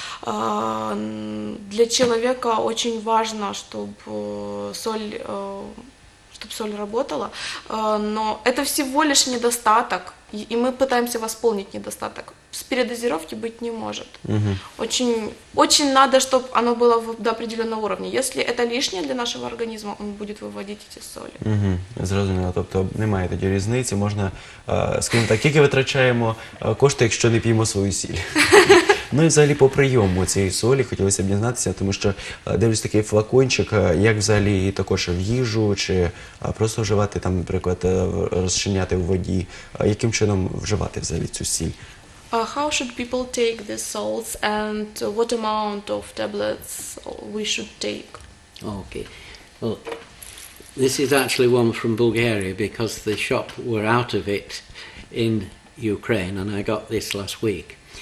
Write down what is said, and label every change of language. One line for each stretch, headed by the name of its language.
Russian: Для человека очень важно, чтобы соль работала, но это всего лишь недостаток, и мы пытаемся восполнить недостаток. С передозировки быть не может. Очень надо, чтобы оно было до определенного уровня. Если это лишнее для нашего организма, он будет выводить эти соли.
Ukrainian: Зрозуміло. Тобто немає тоді різниці. Можна, скажімо так, тільки витрачаємо кошти, якщо не п'ємо свою сіль. Ну і взагалі по прийому цієї солі хотілося б дізнатися, тому що дивлюсь такий флакончик, як взагалі її також в їжу, чи просто вживати там, наприклад, розчиняти в воді. Яким чином вживати взагалі цю сіль?
English: How should people take these salts and what amount of tablets we should take? Okay. Well, this is actually one from Bulgaria because the shop were out of it in Ukraine and I got this last week.